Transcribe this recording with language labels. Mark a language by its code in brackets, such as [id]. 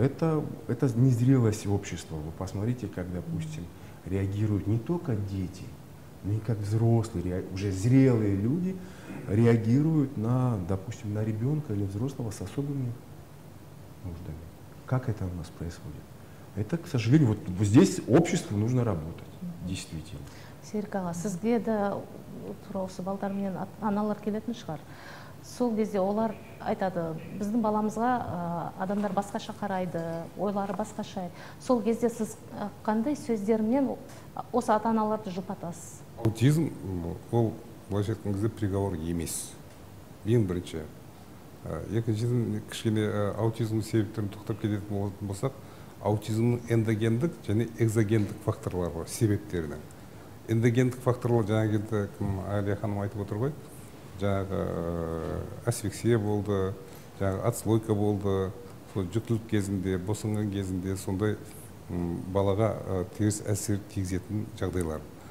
[ru] Это незрелость общества. Вы посмотрите, как, допустим, реагируют не только дети, но и как взрослые, уже зрелые люди реагируют на, допустим, на ребенка или взрослого с особыми нуждами. Как это у нас происходит? Это, к сожалению, вот здесь обществу нужно работать, действительно. [kk] Серик аға, сізге де тура осы балдар менен аналар келетін шығар. Сол кезде олар айтады, біздің баламызға адамдар басқаша қарайды, ойлары басқаша. Сол кезде сіз қандай сөздермен осы ата-аналарды жұбатасыз? аутизм ол [ru] вообще приговор [kk] емес. Ең бірінші. Екіншіден кішкене аутизм себептерін тоқтап кететін болсақ, аутизмнің эндогендік және экзогендік факторлары бар себептерінің. Эндогендік факторлар жаңағы енді кім Алия ханым айтып отыр ғой. Жаңағы асфиксия болды, жаңағы отслойка болды, сол жүктілік кезінде, босанған кезінде сондай балаға теріс әсер тигізетін жағдайлар.